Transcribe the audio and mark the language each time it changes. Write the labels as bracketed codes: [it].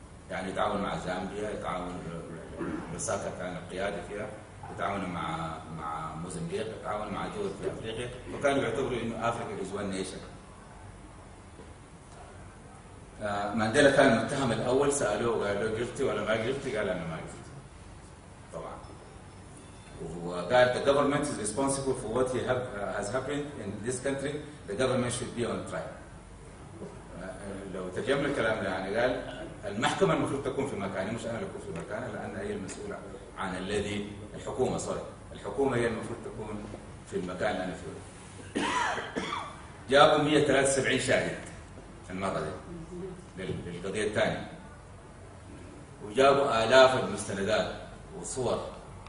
[ar] يعني يتعاون مع زامبيا، يتعاون لوساكا كان القيادة فيها، يتعاون مع موزمبيق، يتعاون مع دول في أفريقيا، وكانوا يعتبروا أنه أفريقيا [en] is one nation. [ar] مانديلا كان المتهم الأول، سألوه وقال له قلتي ولا ما قلتي؟ قال أنا ما قلت طبعا. [en] وقال the government is responsible for what has happened in this country, the government should be on trial. [ar] لو ترجم الكلام ده يعني قال المحكمة المفروض تكون في مكاني مش أنا أكون في مكاني، لأن هي المسؤولة عن الذي الحكومة صار، الحكومة هي المفروض تكون في المكان اللي أنا فيه. جابوا 173 شاهد في المقضى للقضية الثانية، وجابوا آلاف المستندات وصور.